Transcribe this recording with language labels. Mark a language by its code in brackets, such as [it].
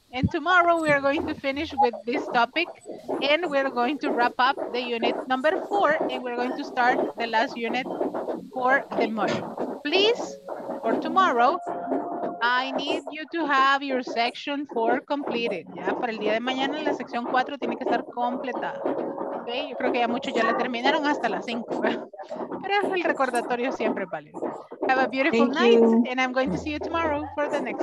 [en] And tomorrow we are going to finish with this topic and we're going to wrap up the unit number 4 and we're going to start the last unit for the module. Please, for tomorrow, I need you to have your section 4 completed. [es] Ya para el día de mañana la sección 4 tiene que estar completada. Okay, yo creo que ya muchos ya la terminaron hasta las 5. Pero el recordatorio siempre vale. [en] Have a beautiful night and I'm going to see you tomorrow for the next